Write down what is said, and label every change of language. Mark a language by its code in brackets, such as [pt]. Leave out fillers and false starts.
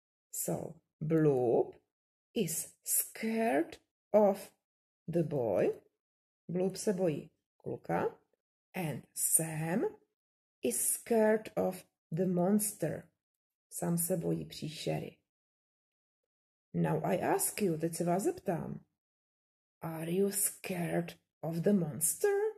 [en] So, Bloop is scared of the boy. [cs] Bloop se bojí kluka. [en] And Sam is scared of the monster. [cs] Sam se bojí příšery. [en] Now I ask you, [cs] teď se vás zeptám. [en] Are you scared of the monster?